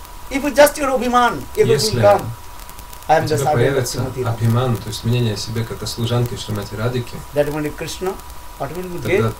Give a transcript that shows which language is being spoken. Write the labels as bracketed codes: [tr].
[en] If you just your obhiman, if you will come, I am the servant of Srimati Radhika. [ru] Обhiman, то есть мнение о себе как о служанке Шримати Радики. [en] That when you Krishna, what will you get?